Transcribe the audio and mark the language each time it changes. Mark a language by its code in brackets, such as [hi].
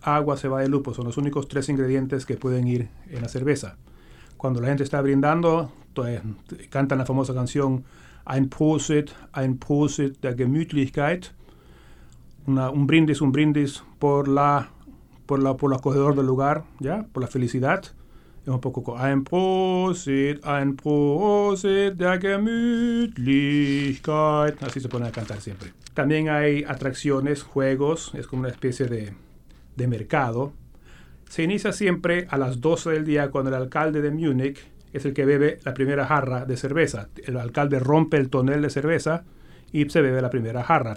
[es] Agua, cebada y lupus son los únicos tres ingredientes que pueden ir en la cerveza. Cuando la gente está brindando, cantan la famosa canción [de] ein Prosit der Gemütlichkeit. [es] Un brindis por lo acogedor del lugar, ¿ya? Por la felicidad. Es un poco [de] ein Prosit, ein Prosit der Gemütlichkeit. [es] Así se ponen a cantar siempre. También hay atracciones, juegos. Es como una especie de mercado. Se inicia siempre a las 12 del día cuando el alcalde de Múnich es el que bebe la primera jarra de cerveza. El alcalde rompe el tonel de cerveza y se bebe la primera jarra.